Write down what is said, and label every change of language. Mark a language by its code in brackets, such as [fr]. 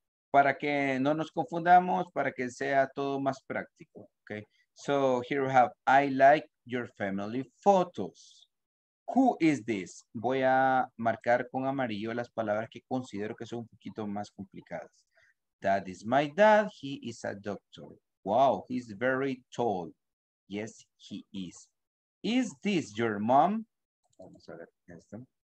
[es] Para que no nos confundamos, para que sea todo más práctico, ¿ok? [en] So here we have, I like your family photos. Who is this? [es] Voy a marcar con amarillo las palabras que considero que son un poquito más complicadas. [en] That is my dad. He is a doctor. Wow, he's very tall. Yes, he is. Is this your mom? [es] Vamos a ver esto.